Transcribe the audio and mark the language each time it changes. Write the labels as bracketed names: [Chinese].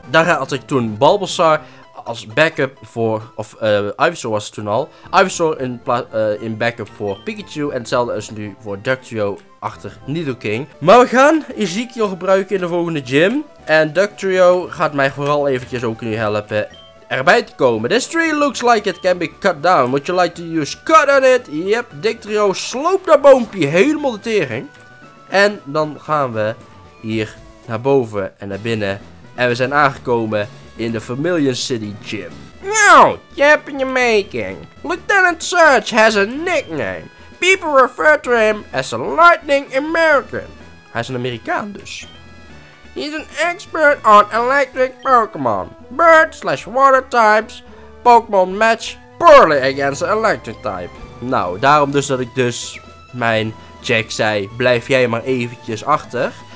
[Dutch] Daar had ik toen Bulbasaur als backup voor, of Ivysaur was het toen al. Ivysaur in backup voor Pikachu. En hetzelfde is nu voor Ducktrio achter Nidoking. Maar we gaan Ezekiel gebruiken in de volgende gym. En Ducktrio gaat mij vooral eventjes ook nu helpen erbij te komen. [English] This tree looks like it can be cut down. Would you like to use cut on it? [Dutch] Yep, Ducktrio sloopt dat boompje helemaal de tering. En dan gaan we hier naar boven en naar binnen. En we zijn aangekomen in de Vermilion City Gym. [English] Now, Jap in the making. Lieutenant Surge has a nickname. People refer to him as a Lightning American. [Dutch] Hij is een Amerikaan dus. [English] He's an expert on electric Pokémon. Bird / water types. Pokémon match poorly against the electric type. [Dutch] Nou, daarom dus dat ik dus mijn Jack zei, blijf jij maar eventjes achter.